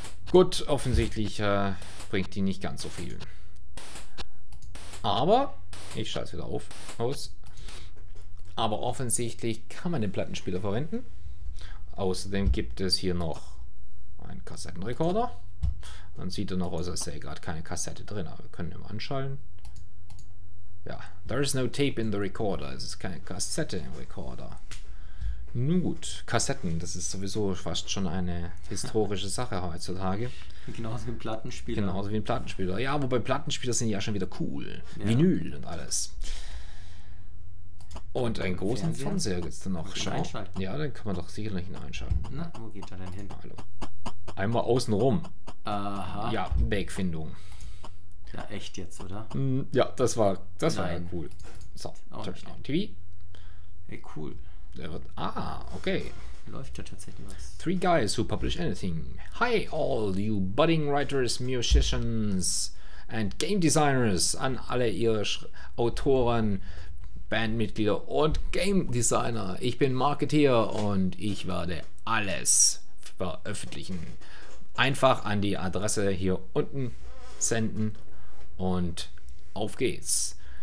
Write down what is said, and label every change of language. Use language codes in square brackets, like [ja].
[de] Gut, offensichtlich bringt die nicht ganz so viel. Aber... Ich schalte es wieder aus. Aber offensichtlich kann man den Plattenspieler verwenden. Außerdem gibt es hier noch einen Kassettenrekorder. Man sieht dann noch aus, als sei gerade keine Kassette drin, aber wir können ihn anschalten. [en] Ja, there is no tape in the recorder. [de] Es ist keine Kassette im Recorder. Nun gut, Kassetten, das ist sowieso fast schon eine historische Sache heutzutage. Genauso wie ein Plattenspieler. Genauso wie ein Plattenspieler. Ja, wobei Plattenspieler sind ja schon wieder cool. Ja. Vinyl und alles. Und einen großen Fernseher gibt es dann noch. Einschalten. Ja, dann kann man doch sicherlich ihn einschalten. Na, wo geht er denn hin? Hallo. Einmal außenrum. Aha. Ja, Wegfindung. Ja, echt jetzt, oder? Ja, das war ja cool. So, [en] Touch on TV. [de] Hey, cool. Der wird, okay. Läuft ja tatsächlich was. [en] Three guys who publish anything. Hi, all you budding writers, musicians and game designers. [de] An alle ihre Autoren, Bandmitglieder und Game Designer. Ich bin Marketeer und ich werde alles veröffentlichen. Einfach an die Adresse hier unten senden und auf geht's.